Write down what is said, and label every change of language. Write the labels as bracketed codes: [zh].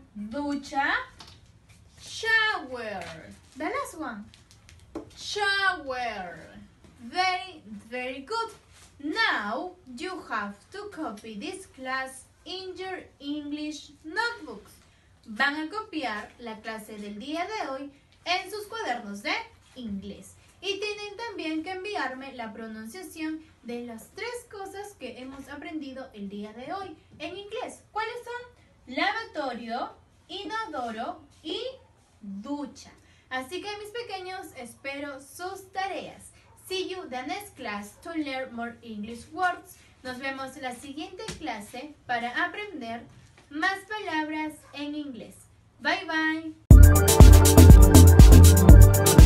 [en] Ducha, shower. The last one. Shower. Very, very good. Now you have to copy this class in your English notebooks. [es] Van a copiar la clase del día de hoy en sus cuadernos de inglés. Y tienen también que enviarme la pronunciación de las tres cosas que hemos aprendido el día de hoy en inglés. ¿Cuáles son? Lavatorio, inodoro y ducha. Así que mis pequeños, espero sus tareas. [en] See you the next class to learn more English words. [es] Nos vemos la siguiente clase para aprender más palabras en inglés. Bye bye.